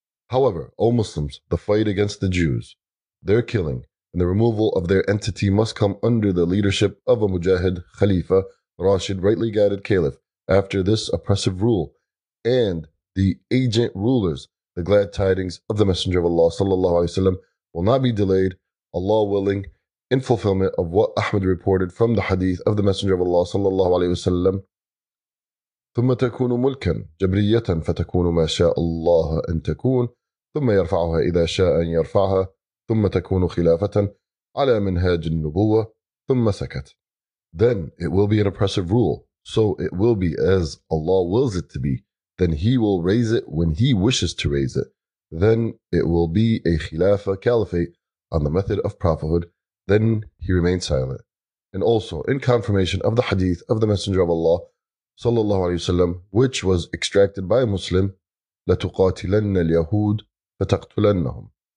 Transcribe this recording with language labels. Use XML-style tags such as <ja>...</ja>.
<en>However, O Muslims, the fight against the Jews, their killing, and the removal of their entity must come under the leadership of a Mujahid Khalifa, Rashid, rightly guided Caliph. After this oppressive rule and the agent rulers, the glad tidings of the Messenger of Allah sallallahu alaihi wasallam will not be delayed, Allah willing, in fulfillment of what Ahmad reported from the hadith of the Messenger of Allah sallallahu alaihi wasallam.</en> <ar>ثم تكون ملكا جبرية فتكون ما شاء الله أن تكون ثم يرفعها إذا شاء أن يرفعها ثم تكون خلافة على منهاج النبوة ثم سكت.</ar> <en>Then it will be an oppressive rule, so it will be as Allah wills it to be. Then He will raise it when He wishes to raise it. Then it will be a khilafa, caliphate, on the method of prophethood. Then He remained silent. And also, in confirmation of the hadith of the Messenger of Allah sallallahu alaihi wasallam, which was extracted by a Muslim,</en> <ar>لتقاتلن اليهود فتقتلنهم.</ar>